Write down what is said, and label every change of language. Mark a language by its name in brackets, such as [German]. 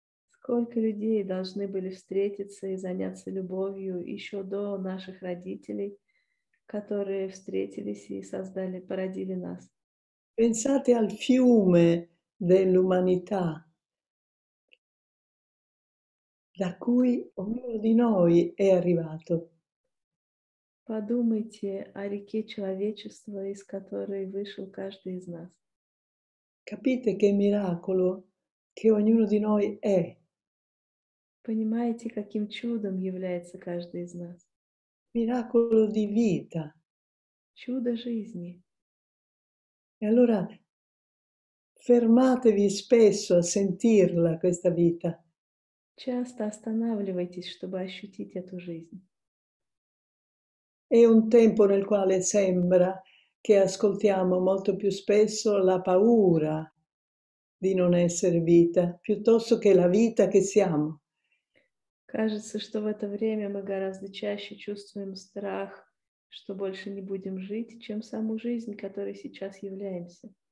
[Russian] Сколько людей должны были встретиться и заняться любовью еще до наших родителей, которые встретились и создали, породили нас? [Italian] Pensate al fiume dell'umanità da cui ognuno di noi è arrivato. [Russian] Подумайте о реке человечества, из которой вышел каждый из нас. [Italian] Capite che miracolo che ognuno di noi è? [Russian] Понимаете, каким чудом является каждый из нас? [Italian] Miracolo di vita. E [Russian] Чудо жизни. [Italian] allora, fermatevi spesso a sentirla, questa vita. [Russian] Часто останавливайтесь, чтобы ощутить эту жизнь. [Italian] È un tempo nel quale sembra che ascoltiamo molto più spesso la paura di non essere vita, piuttosto che la vita che siamo. [Russian] Кажется, что в это время мы гораздо чаще чувствуем страх, что больше не будем жить, чем саму жизнь, которой сейчас являемся.